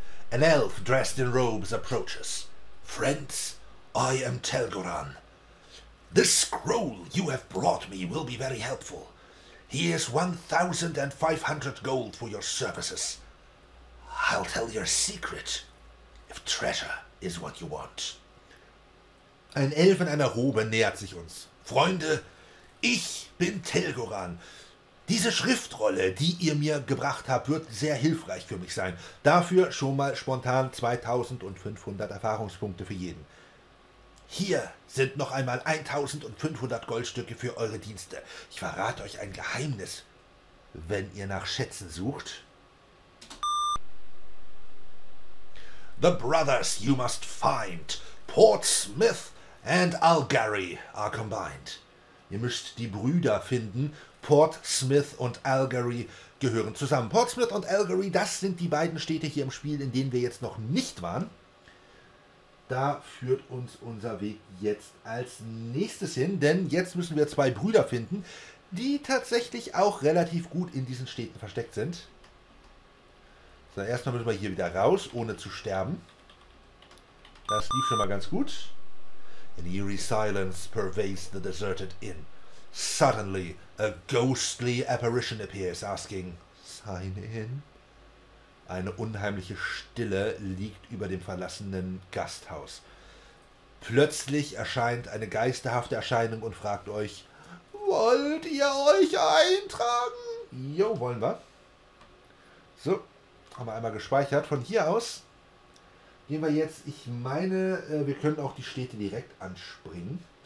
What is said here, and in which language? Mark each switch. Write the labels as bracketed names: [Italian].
[English] An elf dressed in robes approaches. Friends, I am Telgoran. This scroll you have brought me will be very helpful. Here's 1,500 gold for your services. I'll tell your secret, if treasure is what you want. [German] Ein Elf in einer Robe nähert sich uns. Freunde, ich bin Telgoran. Diese Schriftrolle, die ihr mir gebracht habt, wird sehr hilfreich für mich sein. Dafür schon mal spontan 2,500 Erfahrungspunkte für jeden. Hier sind noch einmal 1,500 Goldstücke für eure Dienste. Ich verrate euch ein Geheimnis, wenn ihr nach Schätzen sucht. [English] The brothers you must find, Portsmouth and Algarry, are combined. [German] Ihr müsst die Brüder finden. Portsmouth und Algarry gehören zusammen. Portsmouth und Algarry, das sind die beiden Städte hier im Spiel, in denen wir jetzt noch nicht waren. Da führt uns unser Weg jetzt als nächstes hin, denn jetzt müssen wir zwei Brüder finden, die tatsächlich auch relativ gut in diesen Städten versteckt sind. So, erstmal müssen wir hier wieder raus, ohne zu sterben. Das lief schon mal ganz gut. [English] An eerie silence pervades the deserted inn. Suddenly, a ghostly apparition appears, asking, "Sign in?" [German] Eine unheimliche Stille liegt über dem verlassenen Gasthaus. Plötzlich erscheint eine geisterhafte Erscheinung und fragt euch, "Wollt ihr euch eintragen?" Jo, wollen wir. So, haben wir einmal gespeichert. Von hier aus gehen wir jetzt, ich meine, wir können auch die Städte direkt anspringen.